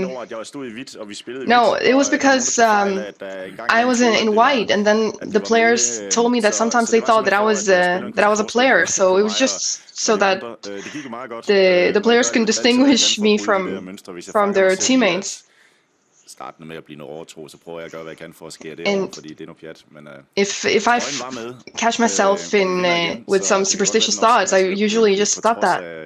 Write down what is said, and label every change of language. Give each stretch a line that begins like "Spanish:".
English: No, it was because I was in white, and then the players told me that sometimes they thought that I was a player. So it was just so that the players can distinguish me from their teammates.
Danish: Starten med at blive noget overtro, så prøver jeg at gøre hvad jeg kan for at skære det, fordi det er noget pjat. Men
English: if I catch myself in with some superstitious thoughts, I usually just stop that.